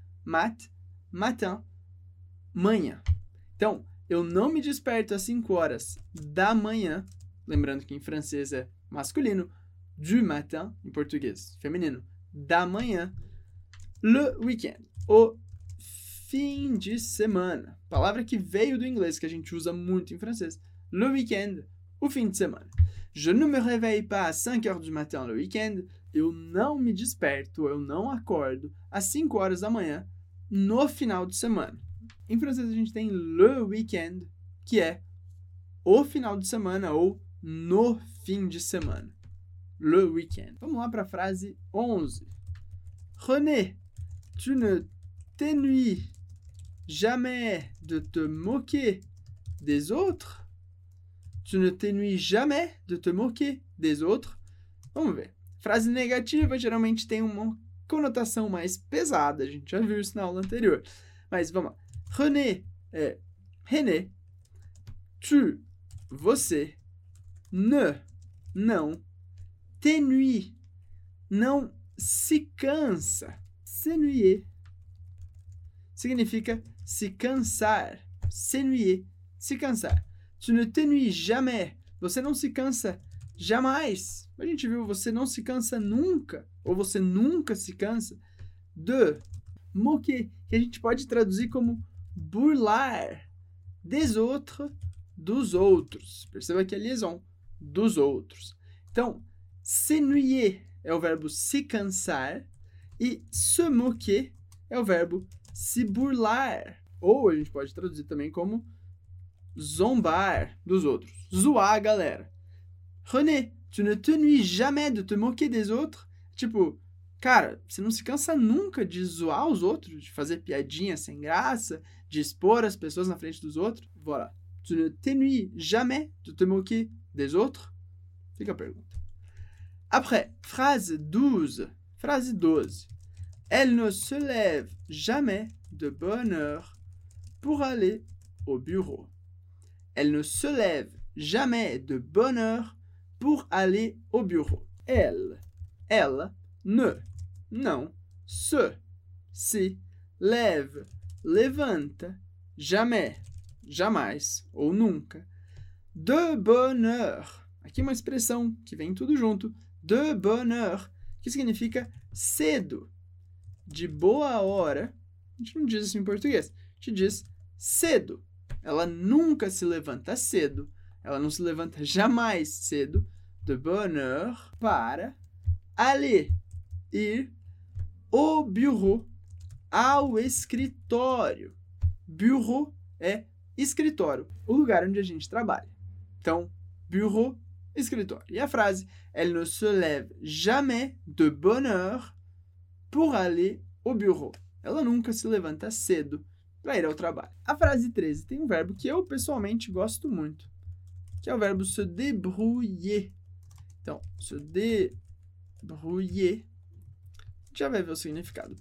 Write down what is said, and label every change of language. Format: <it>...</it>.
<pt>Mat, matin, manhã. Então, eu não me desperto às 5 horas da manhã. Lembrando que em francês é masculino. Du matin, em português, feminino. Da manhã. Le weekend, o fim de semana. Palavra que veio do inglês, que a gente usa muito em francês. Le weekend, o fim de semana.</pt> <fr>Je ne me réveille pas à 5 heures du matin le week-end.</fr> <pt>Eu não me desperto, eu não acordo às 5 horas da manhã no final de semana. Em francês a gente tem le week-end, que é o final de semana ou no fim de semana. Le week-end. Vamos lá para a frase 11.</pt> <fr>René, tu ne t'ennuies jamais de te moquer des autres? Tu ne t'ennuies jamais de te moquer des autres?</fr> <pt>Vamos ver. Frase negativa geralmente tem uma conotação mais pesada. A gente já viu isso na aula anterior. Mas vamos lá. René, tu, você, não, t'ennuies, não se cansa. S'ennuyer significa se cansar. S'ennuyer, se cansar.</pt> <fr>Tu ne t'ennuies jamais.</fr> <pt>Você não se cansa jamais. A gente viu, você não se cansa nunca, ou você nunca se cansa de moquer, que a gente pode traduzir como burlar des autres, dos outros. Perceba que é a liaison, dos outros. Então, s'ennuyer é o verbo se cansar e se moquer é o verbo se burlar. Ou a gente pode traduzir também como zombar dos outros. Zoar a galera.</pt> <fr>René, tu ne t'ennuies jamais de te moquer des autres?</fr> <pt>Tipo, cara, você não se cansa nunca de zoar os outros, de fazer piadinha sem graça, de expor as pessoas na frente dos outros?</pt> <fr>Voilà. Tu ne t'ennuies jamais de te moquer des autres?</fr> <pt>Fica a pergunta.</pt> <fr>Après, phrase 12. Phrase 12. Elle ne se lève jamais de bonne heure pour aller au bureau. Elle ne se lève jamais de bonne heure pour aller au bureau. Elle, ne, non, se, lève, levanta, jamais,</fr> <pt>ou nunca,</pt> <fr>de bonne heure.</fr> <pt>Aqui uma expressão que vem tudo junto, de bonne heure, que significa cedo, de boa hora. A gente não diz isso em português, a gente diz cedo. Ela nunca se levanta cedo, ela não se levanta jamais cedo,</pt> <fr>de bonne heure,</fr> <pt>para aller, ir au bureau, ao escritório. Bureau é escritório, o lugar onde a gente trabalha. Então, bureau, escritório. E a frase,</pt> <fr>elle ne se lève jamais de bonne heure pour aller au bureau.</fr> <pt>Ela nunca se levanta cedo para ir ao trabalho. A frase 13 tem um verbo que eu pessoalmente gosto muito, que é o verbo se débrouiller. Então, se débrouiller, já vai ver o significado.</pt>